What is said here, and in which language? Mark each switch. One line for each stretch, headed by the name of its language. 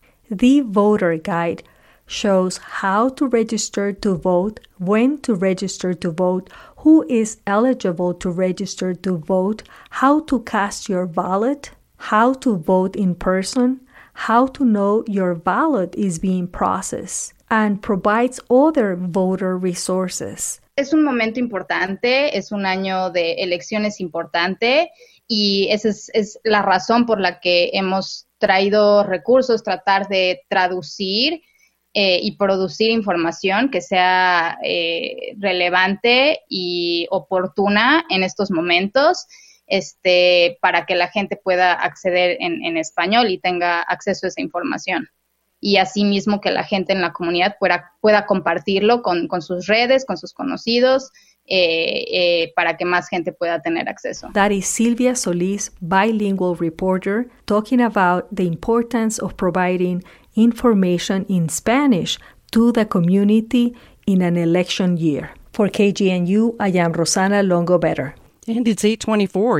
English: The voter guide shows how to register to vote, when to register to vote, who who is eligible to register to vote, how to cast your ballot, how to vote in person, how to know your ballot is being processed, and provides other voter resources.
Spanish: Es un momento importante, es un año de elecciones importante, y esa es la razón por la que hemos traído recursos, tratar de traducir y producir información que sea relevante y oportuna en estos momentos, para que la gente pueda acceder en español y tenga acceso a esa información. Y asimismo que la gente en la comunidad pueda compartirlo con sus redes, con sus conocidos, para que más gente pueda tener acceso.
English: That is Silvia Solis, bilingual reporter, talking about the importance of providing information in Spanish to the community in an election year. For KGNU, I am Rosana Longo-Better. And it's 8:24.